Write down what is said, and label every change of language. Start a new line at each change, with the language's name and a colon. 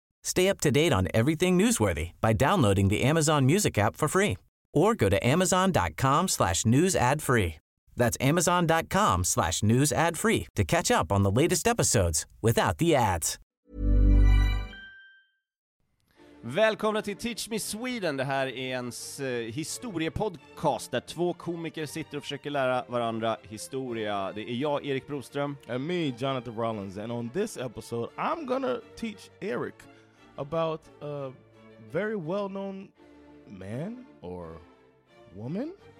English: Stay up to date on everything newsworthy by downloading the Amazon Music app for free or go to amazon.com/news ad free. That's amazon.com/news ad free to catch up on the latest episodes without the ads.
Swedish: Välkomna till Teach Me Sweden. Det här är en historiepodcast där två komiker sitter och försöker lära varandra historia. Det är jag, Erik Broström.
English: And me, Jonathan Rollins. And on this episode, I'm gonna teach Eric about a very well-known man or woman.